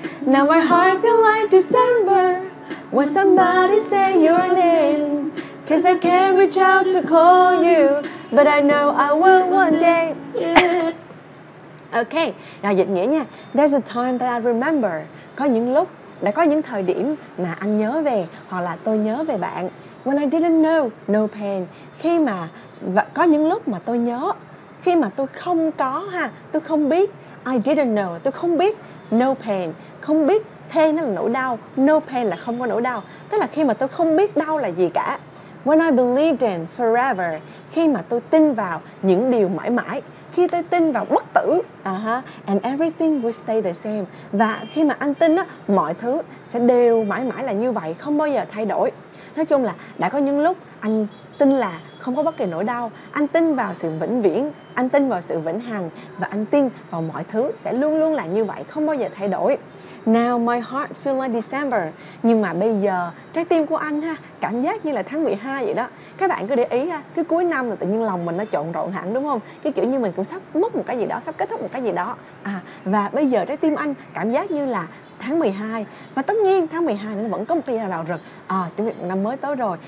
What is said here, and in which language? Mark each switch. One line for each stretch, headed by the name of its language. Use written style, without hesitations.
English: Now my heart feel like December. When somebody say your name. Cause I can't reach out to call you. But I know I will one day. Ok,
Vietnamese: rồi dịch nghĩa nha.
English: There's a time that I remember.
Vietnamese: Có những lúc, đã có những thời điểm mà anh nhớ về, hoặc là tôi nhớ về bạn.
English: When I didn't know, no pain.
Vietnamese: Khi mà, có những lúc mà tôi nhớ. Khi mà tôi không có ha, tôi không biết.
English: I didn't know,
Vietnamese: tôi không biết.
English: No pain,
Vietnamese: không biết. Pain là nỗi đau, no pain là không có nỗi đau. Tức là khi mà tôi không biết đau là gì cả.
English: When I believed in forever.
Vietnamese: Khi mà tôi tin vào những điều mãi mãi. Khi tôi tin vào bất tử.
English: And everything will stay the same.
Vietnamese: Và khi mà anh tin á, mọi thứ sẽ đều mãi mãi là như vậy, không bao giờ thay đổi. Nói chung là đã có những lúc anh tin là không có bất kỳ nỗi đau. Anh tin vào sự vĩnh viễn. Anh tin vào sự vĩnh hằng. Và anh tin vào mọi thứ sẽ luôn luôn là như vậy, không bao giờ thay đổi.
English: Now my heart feel like December.
Vietnamese: Nhưng mà bây giờ trái tim của anh ha, cảm giác như là tháng 12 vậy đó. Các bạn cứ để ý ha, cứ cuối năm là tự nhiên lòng mình nó trộn rộn hẳn đúng không? Cái kiểu như mình cũng sắp mất một cái gì đó, sắp kết thúc một cái gì đó. À, và bây giờ trái tim anh cảm giác như là tháng 12. Và tất nhiên tháng 12 nó vẫn có một cái giai đoạn rực, chuẩn bị một năm mới tới rồi.